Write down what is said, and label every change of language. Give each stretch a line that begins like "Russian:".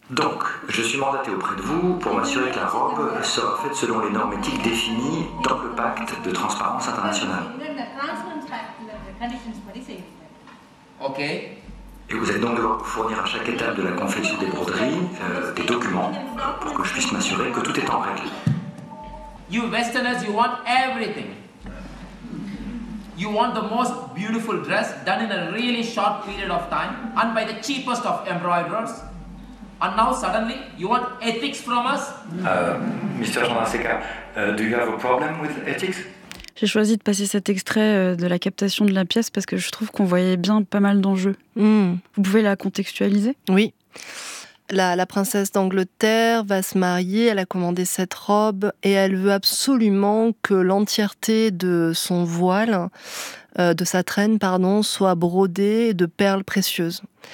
French: Donc, je suis mandatée auprès de vous pour m'assurer que la robe sera faite selon les normes éthiques définies dans le pacte de transparence internationale. Ok. Et vous allez donc devoir fournir à chaque étape de la confection des broderies des documents pour que je puisse m'assurer que tout est en règle.
English: You Westerners, you want everything. You want the most beautiful dress done in a really short period of time and by the cheapest of embroiderers. And now suddenly you want ethics from us? Mr. Jean-Laseca, do you have a problem with ethics?
French: J'ai choisi de passer cet extrait de la captation de la pièce parce que je trouve qu'on voyait bien pas mal d'enjeux. Mm. Vous pouvez la contextualiser? Oui. La princesse d'Angleterre va se marier, elle a commandé cette robe et elle veut absolument que l'entièreté de son voile, de sa traîne, pardon, soit brodée de perles précieuses.